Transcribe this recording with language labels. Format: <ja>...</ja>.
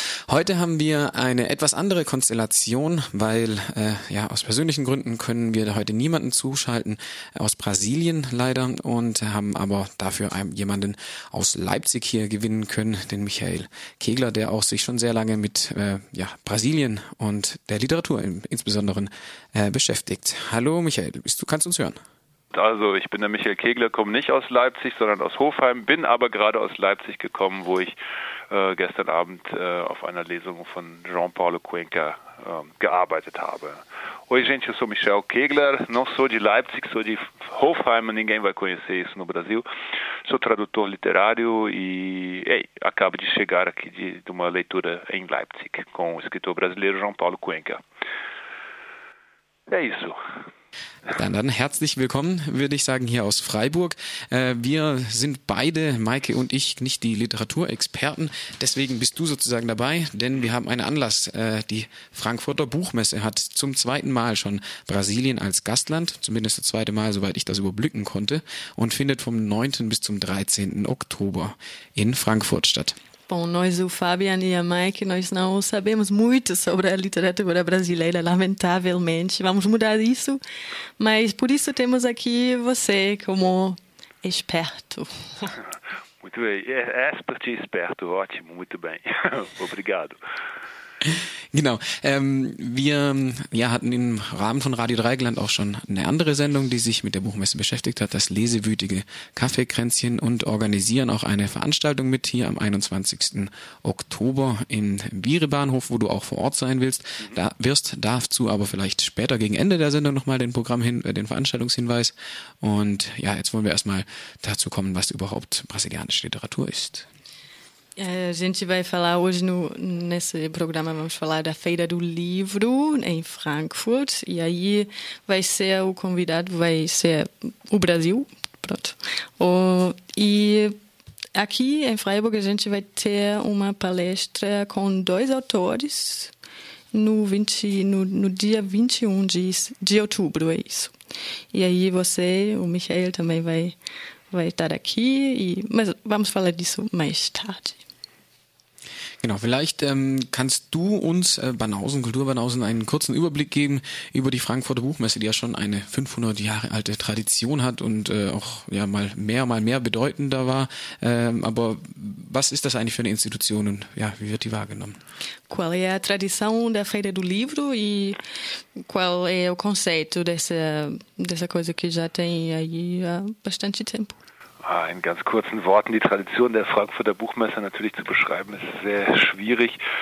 <de>Heute haben wir eine etwas andere Konstellation, weil aus persönlichen Gründen können wir heute niemanden zuschalten, aus Brasilien leider, und haben aber dafür jemanden aus Leipzig hier gewinnen können, den Michael Kegler, der auch sich schon sehr lange mit Brasilien und der Literatur insbesondere beschäftigt. Hallo Michael, kannst du uns hören? Also ich bin der Michael Kegler, komme nicht aus Leipzig, sondern aus Hofheim, bin aber gerade aus Leipzig gekommen, wo ich gestern Abend auf einer Lesung von Jean-Paulo Cuenca gearbeitet habe.</de> <pt>Oi gente, eu sou Michael Kegler, não sou de Leipzig, sou de Hofheim, ninguém vai conhecer isso no Brasil. Sou tradutor literário e acabo de chegar aqui de uma leitura em Leipzig com o escritor brasileiro Jean-Paulo Cuenca. É isso.</pt> <de>Dann herzlich willkommen, würde ich sagen, hier aus Freiburg. Wir sind beide, Maike und ich, nicht die Literaturexperten, deswegen bist du sozusagen dabei, denn wir haben einen Anlass. Die Frankfurter Buchmesse hat zum zweiten Mal schon Brasilien als Gastland, zumindest das zweite Mal, soweit ich das überblicken konnte, und findet vom 9. bis zum 13. Oktober in Frankfurt statt.</de> <pt>Bom, nós, o Fabian e a Mike, nós não sabemos muito sobre a literatura brasileira, lamentavelmente. Vamos mudar isso, mas por isso temos aqui você como esperto. Muito bem. Expert e esperto, ótimo, muito bem. Obrigado.</pt> <de>Genau. Wir hatten im Rahmen von Radio Dreieckland auch schon eine andere Sendung, die sich mit der Buchmesse beschäftigt hat, das lesewütige Kaffeekränzchen, und organisieren auch eine Veranstaltung mit hier am 21. Oktober im Wiehrebahnhof, wo du auch vor Ort sein willst. Darfst du aber vielleicht später gegen Ende der Sendung nochmal den Veranstaltungshinweis. Und ja, jetzt wollen wir erstmal dazu kommen, was überhaupt brasilianische Literatur ist.</de> <pt>A gente vai falar hoje, nesse programa, vamos falar da Feira do Livro em Frankfurt, e aí vai ser o convidado, vai ser o Brasil, pronto. E aqui em Freiburg a gente vai ter uma palestra com dois autores no dia 21 de outubro, é isso. E aí você, o Michael, também vai estar aqui, mas vamos falar disso mais tarde.</pt> <de>Genau, vielleicht kannst du uns Banausen, Kulturbanausen, einen kurzen Überblick geben über die Frankfurter Buchmesse, die ja schon eine 500 Jahre alte Tradition hat und auch ja mal mehr bedeutender war. Aber was ist das eigentlich für eine Institution und ja, wie wird die wahrgenommen?</de> <pt>Qual é a tradição da Feira do Livro e qual é o conceito dessa coisa que já tem aí há bastante tempo?</pt> <de>In ganz kurzen Worten, die Tradition der Frankfurter Buchmesse natürlich zu beschreiben, ist sehr schwierig.</de>